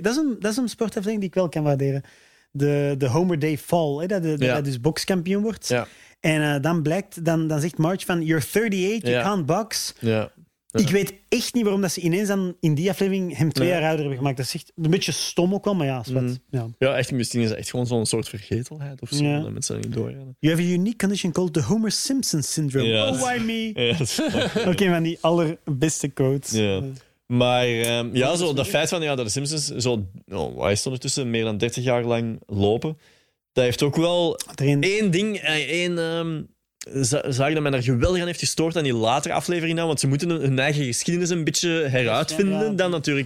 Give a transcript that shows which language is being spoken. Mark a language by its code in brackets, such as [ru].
[nl] Dat is een sportaflevering die ik wel kan waarderen. De Homer Day Fall, hè, dat hij dus boxkampioen wordt. Ja. En dan zegt Marge van, [en] you're 38, you can't box. [nl] Ja. Ik weet echt niet waarom dat ze ineens dan in die aflevering hem twee jaar ouder hebben gemaakt. Dat is echt een beetje stom ook wel, maar ja, spet. Ja, echt, misschien is het echt gewoon zo'n soort vergetelheid of zo. Dat mensen niet doorgaan. [en] You have a unique condition called the Homer Simpson syndrome. Yes. Oh, why me? Yes. [nl] Oké, okay, van die allerbeste quotes. Ja. Maar zo dat feit van dat de Simpsons zo, hij stond ertussen meer dan 30 jaar lang lopen. Dat heeft ook wel één zaak dat men er geweldig aan heeft gestoord aan die latere aflevering. Want ze moeten hun eigen geschiedenis een beetje heruitvinden dan natuurlijk.